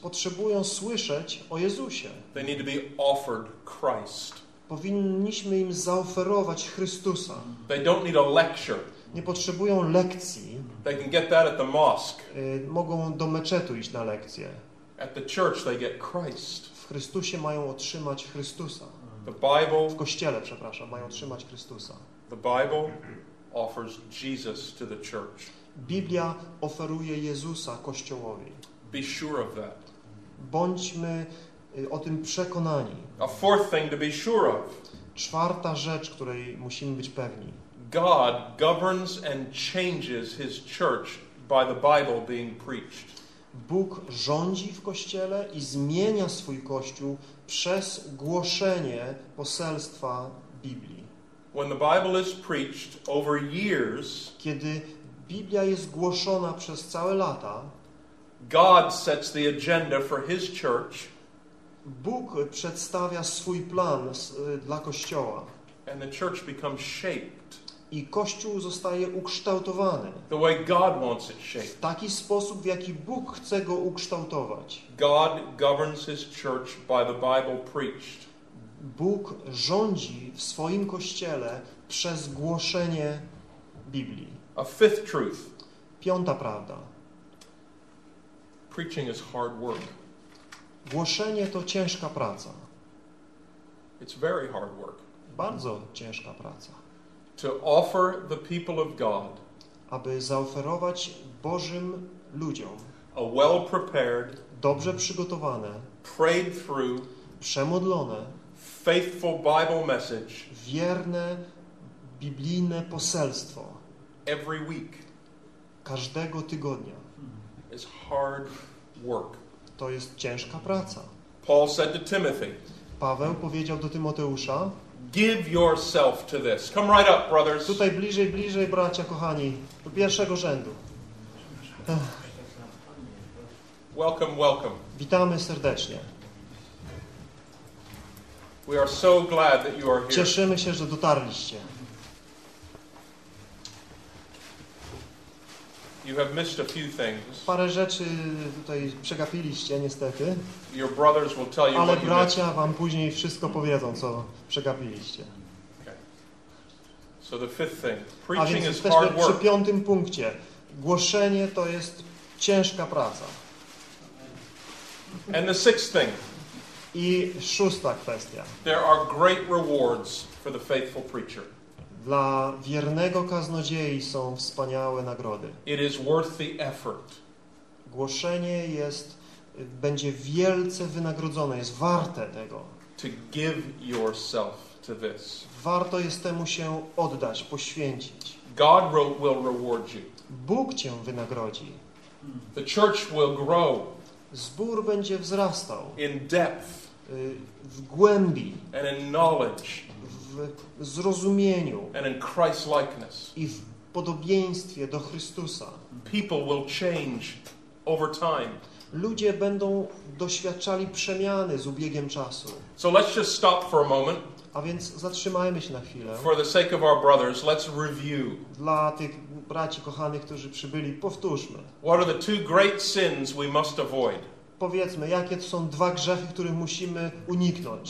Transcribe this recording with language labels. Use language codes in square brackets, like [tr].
[pl] Potrzebują słyszeć o Jezusie. [en] They need to be offered Christ. [pl] Powinniśmy im zaoferować Chrystusa. [en] They don't need a lecture. [pl] Nie potrzebują lekcji. [en] They can get that at the mosque. [pl] Mogą do meczetu iść na lekcję. [en] At the church they get Christ. [pl] W Chrystusie mają otrzymać Chrystusa. [en] The Bible, [pl] w kościele, przepraszam, mają otrzymać Chrystusa. [en] The Bible offers Jesus to the church. [pl] Biblia oferuje Jezusa Kościołowi. [en] Be sure of that. [pl] Bądźmy o tym przekonani. [en] A fourth thing to be sure of. [pl] Czwarta rzecz, której musimy być pewni. [en] God governs and changes his church by the Bible being preached. [pl] Bóg rządzi w kościele i zmienia swój kościół przez głoszenie poselstwa Biblii. [en] When the Bible is preached over years, [pl] kiedy Biblia jest głoszona przez całe lata, [en] God sets the agenda for his church. [pl] Bóg przedstawia swój plan dla Kościoła. [en] And the church becomes shaped. [pl] I Kościół zostaje ukształtowany. [en] The way God wants it shaped. [pl] W taki sposób, w jaki Bóg chce go ukształtować. [en] God governs his church by the Bible preached. [pl] Bóg rządzi w swoim Kościele przez głoszenie Biblii. [en] A fifth truth. [pl] Piąta prawda. [en] Preaching is hard work. [pl] Głoszenie to ciężka praca. [en] It's very hard work. [pl] Bardzo ciężka praca. [en] To offer the people of God, [pl] aby zaoferować Bożym ludziom, [en] a well prepared, [pl] dobrze przygotowane, [en] prayed through, [pl] przemodlone, [en] faithful Bible message, [pl] wierne biblijne poselstwo, [en] every week, [pl] każdego tygodnia, [en] is hard work. [pl] To jest ciężka praca. [en] Paul said to Timothy, [pl] Paweł powiedział do Tymoteusza, [en] give yourself to this. Come right up, brothers. [pl] Tutaj bliżej, bracia, kochani, do pierwszego rzędu. [en] Welcome, welcome. [pl] Witamy serdecznie. [en] We are so glad that you are here. [pl] Cieszymy się, że dotarliście. [en] You have missed a few things. [pl] Parę rzeczy tutaj przegapiliście, niestety. [en] Your brothers will tell you. [pl] Ale bracia wam później wszystko powiedzą, co przegapiliście. [en] Okay. So the fifth thing. Preaching is hard work. [pl] Przy piątym punkcie. Głoszenie to jest ciężka praca. [en] And the sixth thing. [pl] I szósta kwestia. [en] There are great rewards for the faithful preacher. [pl] Dla wiernego kaznodziei są wspaniałe nagrody. [en] It is worth the effort. [pl] Głoszenie jest, będzie wielce wynagrodzone, jest warte tego. [en] To give yourself to this. [pl] Warto jest temu się oddać, poświęcić. [en] God will reward you. [pl] Bóg cię wynagrodzi. [en] The church will grow. [pl] Zbór będzie wzrastał. [en] In depth. [pl] W głębi. [en] And in knowledge. [pl] W zrozumieniu [en] and in Christ-likeness. [pl] I w podobieństwie do Chrystusa. [en] People will change over time. [pl] Ludzie będą doświadczali przemiany z ubiegiem czasu. [en] So let's just stop for a moment. [pl] A więc zatrzymajmy się na chwilę. [en] For the sake of our brothers, let's review. [pl] Dla tych braci kochanych, którzy przybyli, powtórzmy. [en] What are the two great sins we must avoid? [pl] Powiedzmy, jakie to są dwa grzechy, których musimy uniknąć.